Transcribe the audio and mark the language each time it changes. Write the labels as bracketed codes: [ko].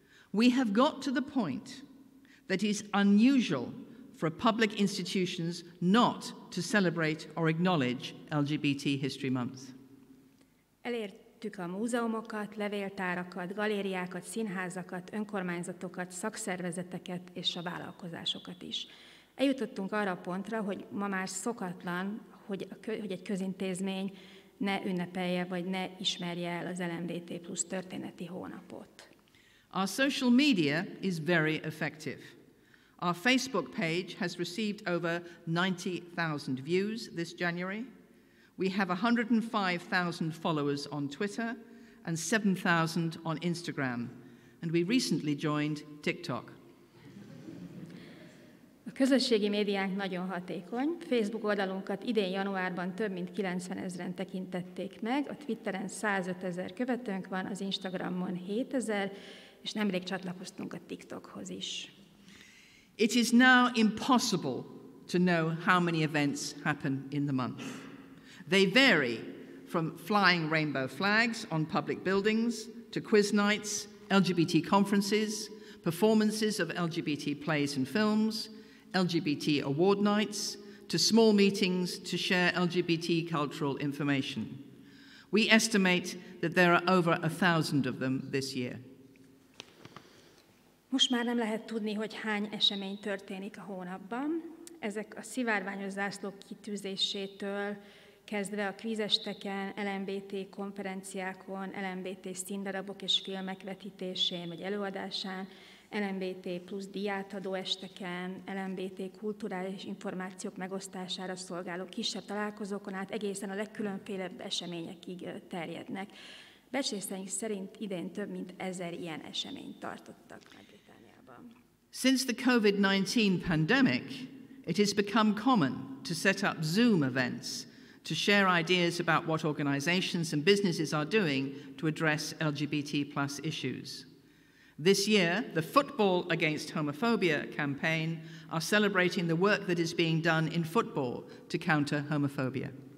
[en] We have got to the point that is unusual for public institutions not to celebrate or acknowledge LGBT History Month. [hu] Elértük a múzeumokat, levéltárakat, galériákat, színházakat, önkormányzatokat, szakszervezeteket és a vállalkozásokat is. Eljutottunk arra a pontra, hogy ma már szokatlan, hogy egy közintézmény ne ünnepelje vagy ne ismerje el az LMBT plusz történeti hónapot. [en] Our social media is very effective. Our Facebook page has received over 90,000 views this January. We have 105,000 followers on Twitter and 7,000 on Instagram. And we recently joined TikTok. [hu] A közösségi médiánk nagyon hatékony. Facebook oldalunkat idén januárban több mint 90,000-en tekintették meg. A Twitteren 105,000 követőnk van, az Instagramon 7,000, és nemrég csatlakoztunk a TikTokhoz is. [en] It is now impossible to know how many events happen in the month. They vary from flying rainbow flags on public buildings to quiz nights, LGBT conferences, performances of LGBT plays and films, LGBT award nights, to small meetings to share LGBT cultural information. We estimate that there are over 1,000 of them this year. [hu] Most már nem lehet tudni, hogy hány esemény történik a hónapban. Ezek a szivárványos zászlók kitűzésétől kezdve a kvízesteken, LMBT konferenciákon, LMBT színdarabok és filmek vetítésén vagy előadásán, LMBT plusz diátadó esteken, LMBT kulturális információk megosztására szolgáló kisebb találkozókon át egészen a legkülönfélebb eseményekig terjednek. Becsléseink szerint idén több mint 1000 ilyen eseményt tartottak meg. [en] Since the COVID-19 pandemic, it has become common to set up Zoom events to share ideas about what organizations and businesses are doing to address LGBT plus issues. This year, the Football Against Homophobia campaign are celebrating the work that is being done in football to counter homophobia.